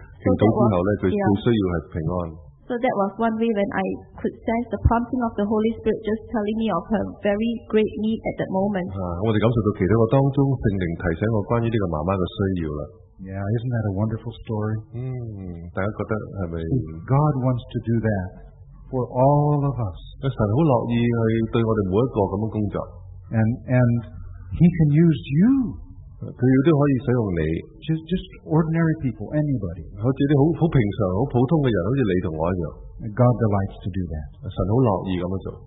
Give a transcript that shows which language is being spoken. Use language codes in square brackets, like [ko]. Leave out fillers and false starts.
[yue] 所以我为佢祈祷求平安之后，佢嘅妈妈话俾我听，其实佢心里边咧好多嘅冲击烦恼，祈祷之后咧，佢好需要系平安。 [en] So that was one way when I could sense the prompting of the Holy Spirit just telling me of her very great need at that moment. [yue] 我哋感受到祈祷当中，圣灵提醒我关于呢个妈妈嘅需要啦。 [en] Yeah, isn't that a wonderful story? [yue] 大家觉得系咪？ [en] God wants to do that for all of us. [yue] 神好乐意去对我哋每一个咁样工作。 [en] And He can use you. [yue] 佢都可以使用你。 [en] Just ordinary people, anybody. [yue] 好似啲好平常、好普通嘅人，好似你同我一样。 [en] God delights to do that. [yue] 神好乐意咁样做。